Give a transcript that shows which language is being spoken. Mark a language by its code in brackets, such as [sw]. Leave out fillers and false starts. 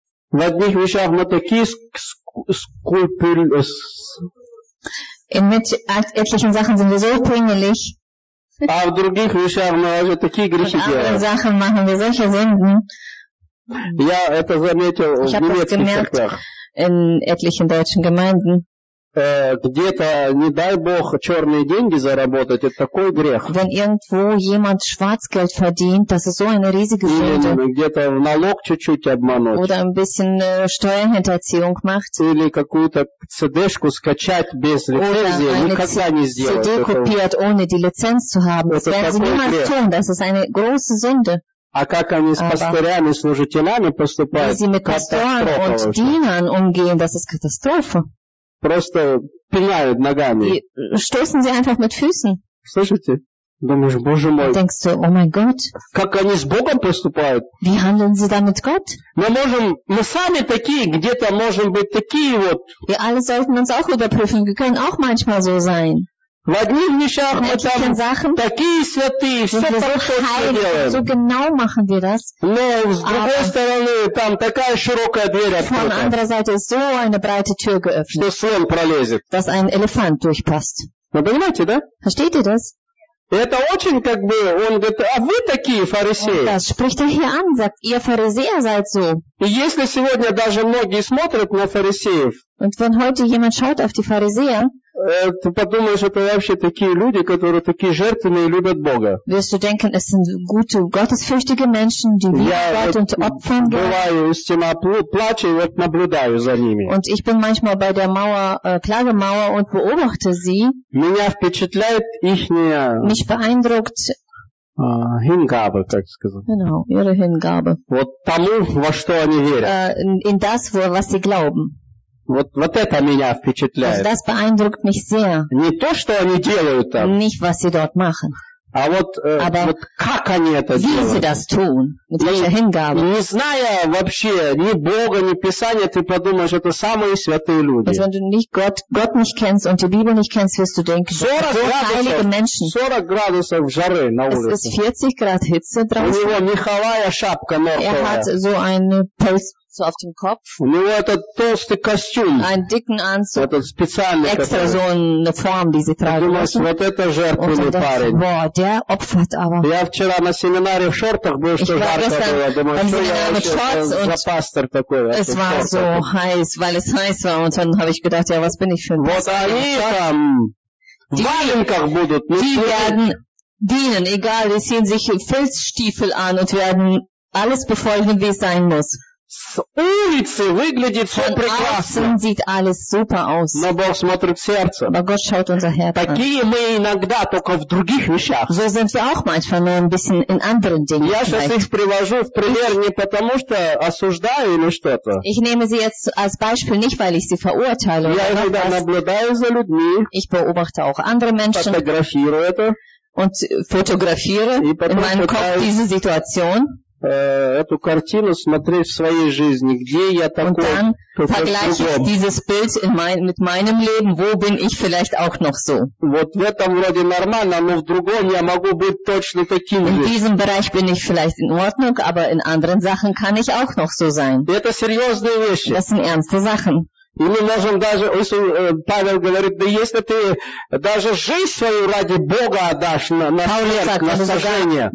[ru] В одних вещах мы такие скрупулёзные. [de] In etlichen Sachen sind wir so pingelig. [ru] А в других вещах мы уже такие грехи делаем. [de] In anderen Sachen machen wir solche Sünden. [ru] Я это заметил в немецких церквях. [de] In etlichen deutschen Gemeinden. [ru] Где-то, не дай Бог, черные деньги заработать, это такой грех. [de] Wenn irgendwo jemand Schwarzgeld verdient, das ist so eine riesige Sünde. [ru] Или где-то в налог чуть-чуть обмануть. [de] Oder ein bisschen Steuerhinterziehung macht. [ru] Или какую-то CD-шку скачать без лицензии, никогда не сделать. [de] CD kopiert, ohne die Lizenz zu haben. Das werden sie niemals tun, das ist eine große Sünde. [ru] А как они с пастырями, служителями поступают? [de] Wie sie mit Pastoren und Dienern umgehen, das ist Katastrophe. [ru] Просто пинают ногами. [de] Stoßen sie einfach mit Füßen. [ru] Слышите? Думаешь, Боже мой. [de] Denkst du, oh mein Gott. [ru] Как они с Богом поступают? [de] Wie handeln sie dann mit Gott? [ru] Мы сами такие, где-то можем быть такие вот. [de] Wir alle sollten uns auch überprüfen. Wir können auch manchmal so sein. [ru] В одних вещах мы там [de] Sachen, [ru] такие святые, все хорошо делаем. [de] So genau machen wir das. [ru] Но с другой стороны, там такая широкая дверь открыта. [de] Von anderer Seite so eine breite Tür geöffnet. [ru] Что слон пролезет. [de] Dass ein Elefant durchpasst. [ru] Вы понимаете, да? [de] Versteht ihr das? [ru] Это очень как бы, он говорит, а вы такие фарисеи. [de] Und das spricht er hier an, sagt, ihr Pharisäer seid so. [ru] И если сегодня даже многие смотрят на фарисеев, [de] Und wenn heute jemand schaut auf die Pharisäer, [ru] ты подумаешь, это вообще такие люди, которые такие жертвенные и любят Бога. [de] Wirst du denken, es sind gute, gottesfürchtige Menschen, die Gott und Opfern gehen. [ru] Плачу, вот наблюдаю за ними. [de] Und ich bin manchmal bei der Mauer, Klagemauer und beobachte sie. [ru] Меня впечатляет ихняя... [de] Mich beeindruckt... [ru] Hingabe, так сказать. [de] Genau, ihre Hingabe. [ru] Вот тому, во что они верят. [de] In das, was sie glauben. [ru] Вот это меня впечатляет. [de] Also das beeindruckt mich sehr. [ru] Не то, что они делают там. [de] Nicht, was sie dort machen. [ru] А вот, [de] Aber [ru] вот как они это [de] wie [ru] делают. [de] Wie sie das tun. Mit welcher Hingabe. [ru] Не зная вообще ни Бога, ни Писания, ты подумаешь, это самые святые люди. [de] Also wenn du nicht Gott nicht kennst und die Bibel nicht kennst, wirst du denken, 40 das [ru] градусов, [de] heilige Menschen. [ru] 40 градусов жары на улице. [de] Es ist 40 Grad Hitze draußen. [ru] У него меховая шапка мертвая. [de] Er hat so eine Post. So auf dem Kopf. [ru] У него этот толстый костюм. [de] Einen dicken Anzug. [ru] Этот специальный. [de] Extra so eine Form, die sie tragen. [ru] Думаешь, вот это жертвенный парень. [de] Wow, der opfert aber. [ru] Я вчера на семинаре в шортах был, что жарко было. Думаю, что я вообще за пастор такой. [de] Es war so heiß, weil es heiß war. Und dann habe ich gedacht, ja, was bin ich für ein Pastor? [ru] Вот они там в валенках будут. [de] Die werden dienen, egal, sie ziehen sich Filzstiefel an und werden alles befolgen, wie es sein muss. [ru] С улицы выглядит все прекрасно. [de] Sieht alles super aus. [ru] Но Бог смотрит сердце. [de] Aber Gott schaut unser Herz [ru] Такие [de] an. [ru] Мы иногда только в других вещах. [de] So sind wir auch manchmal nur ein bisschen in anderen Dingen. [ru] Я сейчас их привожу в пример не потому, что осуждаю или что-то. [de] Ich nehme sie jetzt als Beispiel nicht, weil ich sie verurteile. [ru] Я иногда наблюдаю за людьми. [de] Ich beobachte auch andere Menschen. [ru] Фотографирую это. [de] Und fotografiere in meinem Kopf diese Situation. [ru] Эту картину смотри в своей жизни, где я такой. [de] Und dann vergleiche ich dieses Bild mit meinem Leben, wo bin ich vielleicht auch noch so. [ru] Вот в этом вроде нормально, но в другом я могу быть точно таким же. [de] In diesem Bereich bin ich vielleicht in Ordnung, aber in anderen Sachen kann ich auch noch so sein. [ru] Это серьезные вещи. [de] Das sind ernste Sachen. [ru] И мы можем даже, если Павел говорит, да если ты даже жизнь свою ради Бога отдашь на смерть, на сожжение.